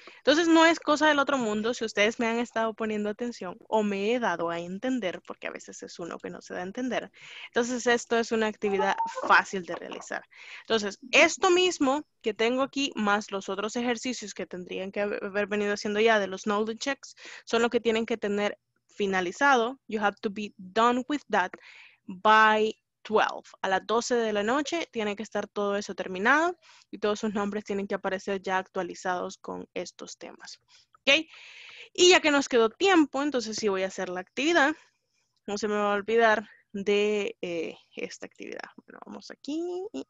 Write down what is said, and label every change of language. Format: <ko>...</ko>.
<es>Entonces, no es cosa del otro mundo si ustedes me han estado poniendo atención o me he dado a entender, porque a veces es uno que no se da a entender. Entonces, esto es una actividad fácil de realizar. Entonces, esto mismo que tengo aquí, más los otros ejercicios que tendrían que haber venido haciendo ya de los knowledge checks, son lo que tienen que tener finalizado.</es> <en>You have to be done with that by 12.</en> <es>A las 12 de la noche tiene que estar todo eso terminado y todos sus nombres tienen que aparecer ya actualizados con estos temas. ¿Ok? Y ya que nos quedó tiempo, entonces sí voy a hacer la actividad. No se me va a olvidar de esta actividad. Bueno, vamos aquí.</es>